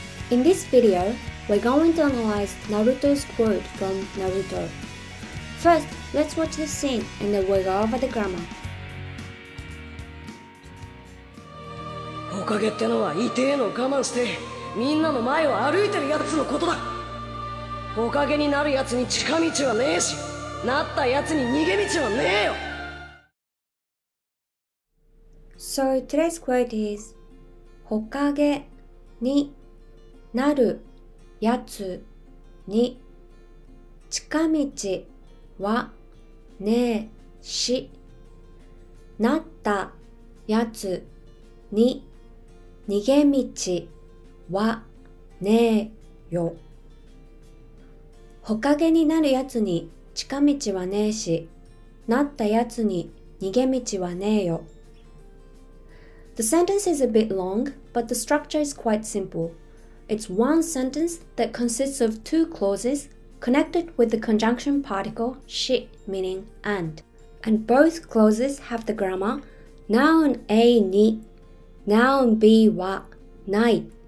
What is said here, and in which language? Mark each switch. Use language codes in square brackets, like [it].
[en] In this video, we're going to analyze Naruto's quote from Naruto. First, let's watch the scene and then we'll go over the grammar. [ja] Hokage ってのは痛えの我慢してみんなの前を歩いてるやつのことだ。 Hokage になるやつに近道はねえし、なったやつに逃げ道はねえよ。 [en] So today's quote is [ja] Hokage になるやつに近道はねえし、なったやつに逃げ道はねえよ。ほかげになるやつに近道はねえし、なったやつに逃げ道はねえよ。 [en] The sentence is a bit long, but the structure is quite simple. It's one sentence that consists of two clauses connected with the conjunction particle し meaning and. And both clauses have the grammar noun A に noun B はない。